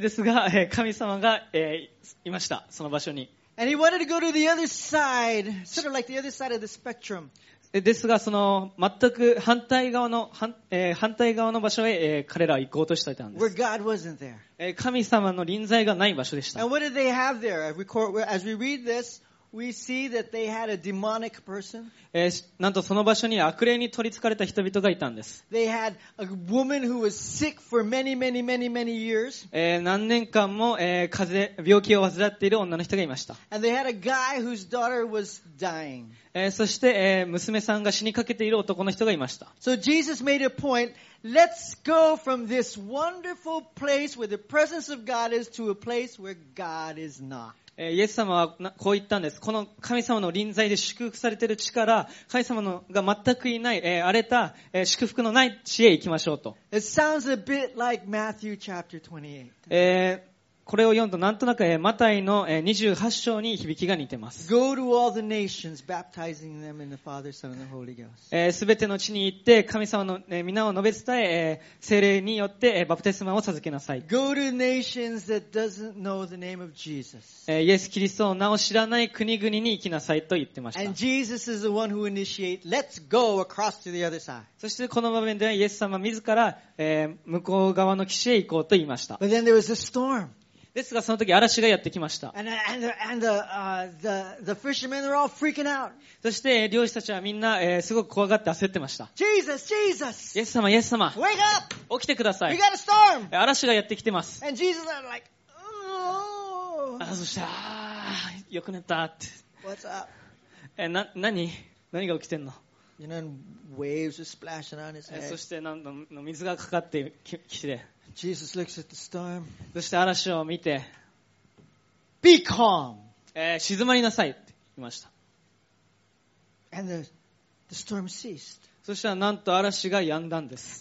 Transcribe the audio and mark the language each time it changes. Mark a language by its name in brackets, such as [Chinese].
[Japanese] ですが、神様が、いました、その場所に。 [English] And he wanted to go to the other side, sort of like the other side of the spectrum. [Japanese] ですが、その全く反対側の、反対側の場所へ、彼らは行こうとしていたんです。 [English] Where God wasn't there. [Japanese] 神様の臨在がない場所でした。 [English] And what did they have there? As we read this, we see that they had a demonic person. [Japanese] なんとその場所に悪霊に取り憑かれた人々がいたんです。 [English] They had a woman who was sick for many, many, many, many years. [Japanese] 何年間も、風邪、病気を患っている女の人がいました。 [English] And they had a guy whose daughter was dying. [Japanese] そして、娘さんが死にかけている男の人がいました。 [English] So Jesus made a point, let's go from this wonderful place where the presence of God is to a place where God is not. [Japanese] イエス様はこう言ったんです。この神様の臨在で祝福されている地から、神様のが全くいない、荒れた、祝福のない地へ行きましょうと。 [English] It sounds a bit like Matthew chapter 28. [Japanese] これを読んとなんとなく、マタイの、28章に響きが似てます。 [English] Go to all the nations, baptizing them in the Father, Son, and the Holy Ghost. [Japanese] すべての地に行って、神様の、皆を述べ伝え、聖霊によって、バプテスマを授けなさい。 [English] Go to nations that doesn't know the name of Jesus. [Japanese] イエス・キリストの名を知らない国々に行きなさいと言ってました。 [English] And Jesus is the one who initiates, let's go across to the other side. [Japanese] そしてこの場面ではイエス様自ら、向こう側の岸へ行こうと言いました。 [English] But then there was a storm. [Japanese] ですがその時嵐がやってきました。そして漁師たちはみんな、すごく怖がって焦ってました。 [English] Jesus, Jesus! [Japanese] イエス様、イエス様、 [English] Wake up! [Japanese] 起きてください。 [English] We got a storm! [Japanese] 嵐がやってきてます。 [English] And Jesus are like, oh! [Japanese] あ、そしたら、よく寝たって。 [English] What's up? [Japanese] 何が起きてんの？ [English] You know, waves are splashing on his head. [Japanese] そして何の水がかかってきて。 [English] Jesus looks at the storm. [Japanese] そして嵐を見て、 [English] Be calm. [Japanese] 静まりなさいって言いました。 [English] And the storm ceased. [Japanese] そしたらなんと嵐が止んだんです。